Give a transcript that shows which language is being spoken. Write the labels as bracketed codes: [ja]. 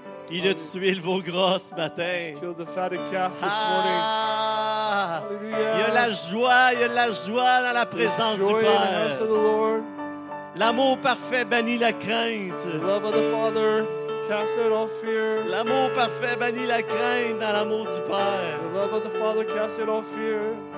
[fr] Il a tué le veau gras ce matin. [en] He's killed the fatted calf this morning. [fr] Il y a la joie, il y a la joie dans la présence du Père. L'amour parfait bannit la crainte. [en] The love of the Father casts out all fear. [fr] L'amour parfait bannit la crainte dans l'amour du Père. [en] The love of the Father casts out all fear.